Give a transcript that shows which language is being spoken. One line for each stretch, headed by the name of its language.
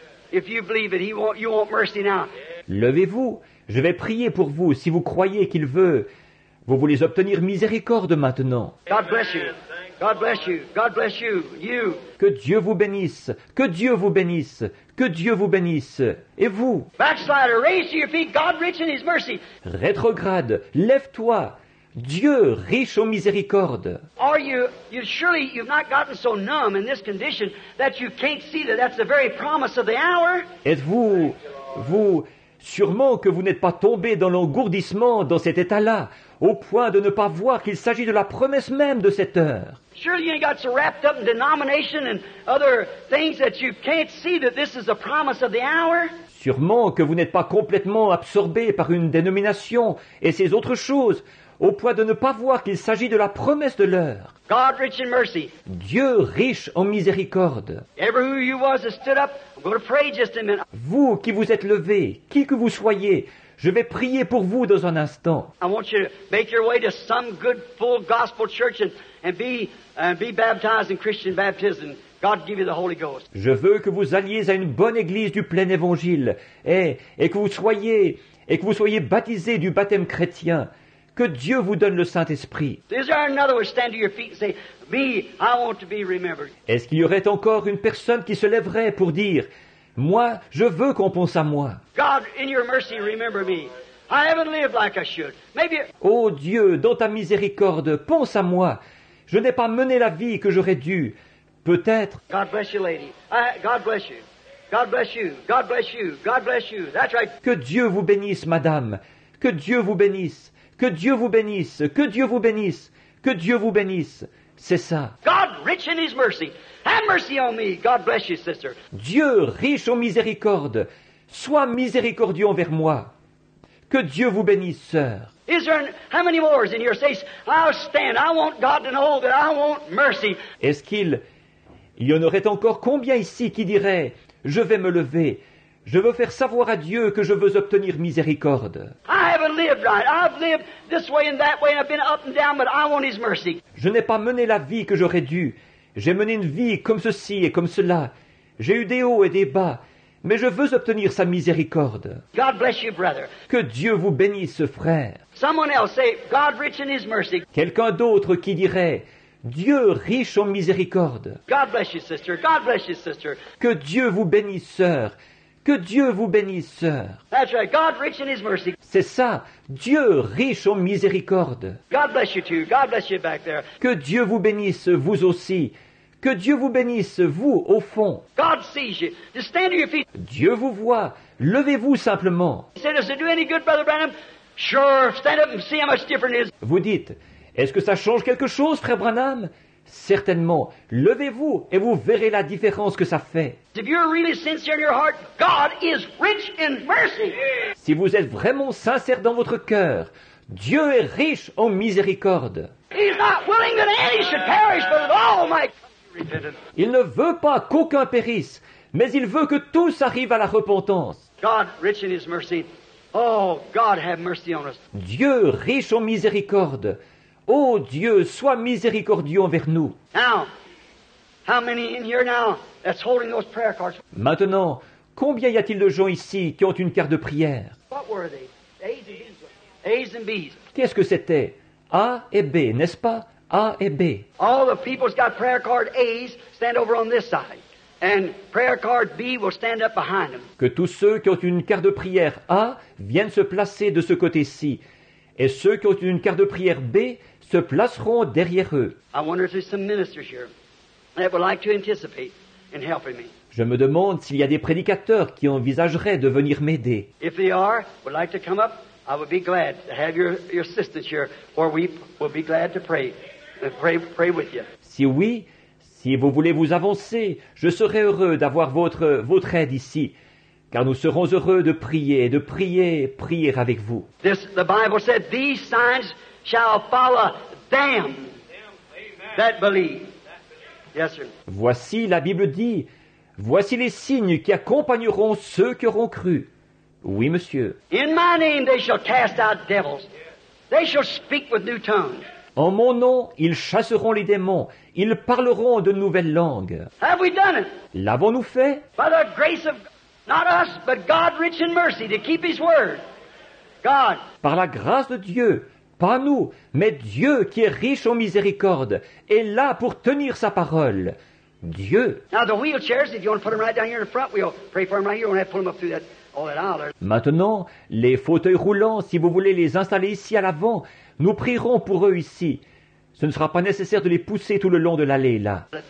English: If you believe it, you want mercy now.
French: Levez-vous, je vais prier pour vous. Si vous croyez qu'il veut, vous voulez obtenir miséricorde maintenant.
English: God bless you. God bless you. God bless you. You.
French: Que Dieu vous bénisse. Que Dieu vous bénisse. Que Dieu vous bénisse. Et vous?
English: Backslider, raise to your feet. God rich in His mercy.
French: Rétrograde, lève-toi. Dieu riche en miséricorde.
English: Are you? You surely you've not gotten so numb in this condition that you can't see that that's the very promise of the hour?
French: Êtes-vous, vous, sûrement que vous n'êtes pas tombé dans l'engourdissement dans cet état-là? Au point de ne pas voir qu'il s'agit de la promesse même de cette heure.
English: Surely you got so wrapped up in denomination and other things that you can't see that this is the promise of the hour.
French: Sûrement que vous n'êtes pas complètement absorbé par une dénomination et ces autres choses, au point de ne pas voir qu'il s'agit de la promesse de l'heure.
English: God rich in mercy.
French: Dieu riche en miséricorde.
English: Ever who you was that stood up, I'm going to pray just a minute.
French: Vous qui vous êtes levé, qui que vous soyez, je vais prier pour vous dans un instant.
English: I want you to make your way to some good full gospel church and be baptized in Christian baptism. God give you the Holy Ghost.
French: Je veux que vous alliez à une bonne église du plein évangile et que vous soyez baptisé du baptême chrétien. Que Dieu vous donne le Saint-Esprit.
English: Is there another one stand to your feet and say, me, I want to be remembered.
French: Est-ce qu'il y aurait encore une personne qui se lèverait pour dire, moi, je veux qu'on pense à moi.
English: God, in your mercy, remember me. I haven't lived like I should. Maybe.
French: Oh Dieu, dans ta miséricorde, pense à moi. Je n'ai pas mené la vie que j'aurais dû. Peut-être.
English: God bless you, lady. God bless you. God bless you. God bless you. God bless you. That's right.
French: Que Dieu vous bénisse, madame. Que Dieu vous bénisse. Que Dieu vous bénisse. Que Dieu vous bénisse. Que Dieu vous bénisse. C'est ça.
English: God rich in His mercy. Have mercy on me. God bless you, sister.
French: Dieu riche en miséricorde. Sois miséricordieux envers moi. Que Dieu vous bénisse, sœur.
English: Is there how many more is in your face? I'll stand. I want God to know that I want mercy.
French: Est-ce qu'il y en aurait encore combien ici qui dirait, je vais me lever. Je veux faire savoir à Dieu que je veux obtenir miséricorde.
English: I haven't lived right. I've lived this way and that way and I've been up and down, but I want His mercy.
French: Je n'ai pas mené la vie que j'aurais dû. J'ai mené une vie comme ceci et comme cela. J'ai eu des hauts et des bas, mais je veux obtenir sa miséricorde.
English: God bless you, brother.
French: Que Dieu vous bénisse, frère.
English: Someone else say, God rich in His mercy.
French: Quelqu'un d'autre qui dirait, Dieu riche en miséricorde.
English: God bless you, sister. God bless you, sister.
French: Que Dieu vous bénisse, sœur. Que Dieu vous bénisse, sœur.
English: That's right. God rich in His mercy.
French: C'est ça, Dieu riche en miséricorde.
English: God bless you too. God bless you back there.
French: Que Dieu vous bénisse, vous aussi. Que Dieu vous bénisse, vous, au fond.
English: God sees you. Just stand to your feet.
French: Dieu vous voit. Levez-vous simplement.
English: He said, does it do any good, Brother Branham? Sure. Stand up and see how much different it is.
French: Vous dites, est-ce que ça change quelque chose, Frère Branham? Certainement. Levez-vous et vous verrez la différence que ça fait.
English: If you're really sincere in your heart, God is rich in mercy.
French: Si vous êtes vraiment sincère dans votre cœur, Dieu est riche en miséricorde.
English: He's not willing that any should perish, but all might.
French: Il ne veut pas qu'aucun périsse, mais il veut que tous arrivent à la repentance.
English: God rich in His mercy. Oh, God have mercy on us.
French: Dieu riche en miséricorde. Oh Dieu, sois miséricordieux envers nous.
English: Now, how many in here now that's holding those prayer cards?
French: Maintenant, combien y a-t-il de gens ici qui ont une carte de prière?
English: What were they? A's and B's. A's and B's.
French: Qu'est-ce que c'était? A et B, n'est-ce pas? A et B.
English: All the people's got prayer card A's stand over on this side. And prayer card B will stand up behind them.
French: Que tous ceux qui ont une carte de prière A viennent se placer de ce côté-ci. Et ceux qui ont une carte de prière B se placeront derrière eux.
English: I wonder if there's some ministers here that would like to anticipate in helping me.
French: Je me demande s'il y a des prédicateurs qui envisageraient de venir m'aider.
English: If they are, would like to come up, I would be glad to have your assistance here, or we will be glad to pray with you.
French: Si oui, si vous voulez vous avancer, je serai heureux d'avoir votre aide ici. Car nous serons heureux de prier, prier avec vous.
English: This, the Bible said, these signs shall follow them that believe. Yes, sir.
French: Voici, la Bible dit, voici les signes qui accompagneront ceux qui auront cru. Oui, monsieur.
English: In my name they shall cast out devils. They shall speak with new tongues.
French: En mon nom, ils chasseront les démons. Ils parleront de nouvelles langues.
English: Have we done it?
French: L'avons-nous fait?
English: By the grace of not us, but God rich in mercy to keep his word. God.
French: Par la grâce de Dieu, pas nous, mais Dieu qui est riche en miséricorde, est là pour tenir sa parole. Dieu.
English: Now the wheelchairs, if you want to put them right down here in the front, we'll pray for them right here. We'll have to pull them up through that.
French: Maintenant, les fauteuils roulants, si vous voulez les installer ici à l'avant, nous prierons pour eux ici. Ce ne sera pas nécessaire de les pousser tout le long de l'allée là.